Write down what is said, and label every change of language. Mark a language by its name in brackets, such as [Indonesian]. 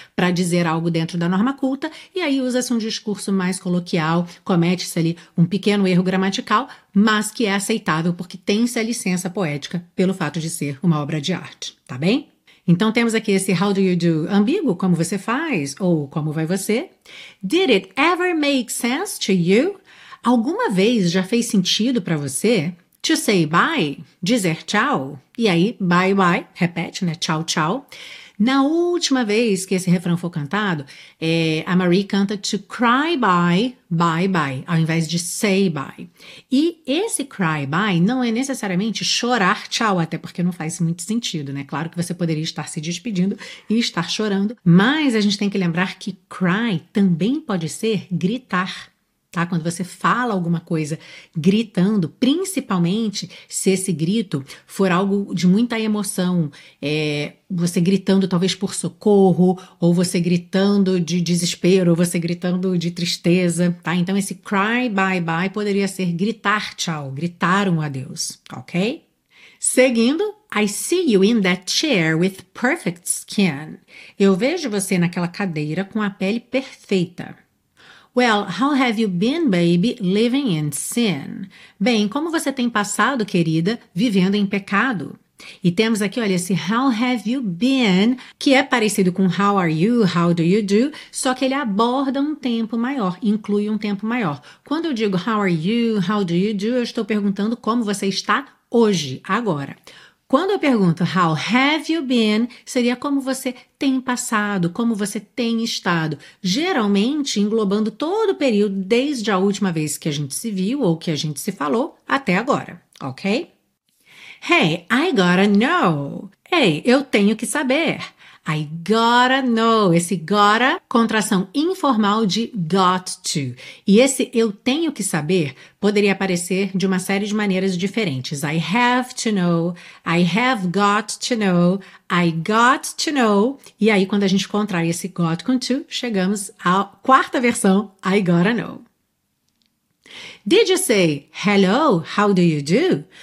[Portuguese] para dizer algo dentro da norma culta, e aí usa-se um discurso mais coloquial, comete-se ali um pequeno erro gramatical, mas que é aceitável porque tem-se a licença poética pelo fato de ser uma obra de arte, tá bem? Então temos aqui esse [English] how do you do [Portuguese] ambíguo, como você faz ou como vai você? [English] Did it ever make sense to you? [Portuguese] Alguma vez já fez sentido para você? [English] To say bye, [Portuguese] dizer tchau. E aí [English] bye bye, [Portuguese] repete, né? Tchau, tchau. Na última vez que esse refrão foi cantado, a Marie canta [English] to cry bye, bye bye, [Portuguese] ao invés de [English] say bye. [Portuguese] E esse [English] cry bye [Portuguese] não é necessariamente chorar tchau, até porque não faz muito sentido, né? Claro que você poderia estar se despedindo e estar chorando, mas a gente tem que lembrar que cry também pode ser gritar. Tá? Quando você fala alguma coisa gritando, principalmente se esse grito for algo de muita emoção, você gritando talvez por socorro, ou você gritando de desespero, ou você gritando de tristeza, tá? Então esse [English] cry bye bye [Portuguese] poderia ser gritar tchau, gritar um adeus, ok? [English] Seguindo, I see you in that chair with perfect skin. [Portuguese] Eu vejo você naquela cadeira com a pele perfeita. [English] Well, how have you been, baby, living in sin? [Portuguese] Bem, como você tem passado, querida, vivendo em pecado? E temos aqui, olha, esse [English] how have you been, [Portuguese] que é parecido com [English] how are you, how do you do, [Portuguese] só que ele aborda um tempo maior, inclui um tempo maior. Quando eu digo [English] how are you, how do you do, [Portuguese] eu estou perguntando como você está hoje, agora. Quando eu pergunto [English] how have you been, [Portuguese] seria como você tem passado, como você tem estado, geralmente englobando todo o período desde a última vez que a gente se viu ou que a gente se falou até agora, ok? [English] Hey, I gotta know. [Portuguese] Ei, hey, eu tenho que saber. [English] I gotta know. [Portuguese] Esse gotta, contração informal de got to. E esse eu tenho que saber poderia aparecer de uma série de maneiras diferentes. [English] I have to know. I have got to know. I got to know. [Portuguese] E aí, quando a gente contrai esse got com to, chegamos à quarta versão, [English] I gotta know. Did you say, hello, how do you do?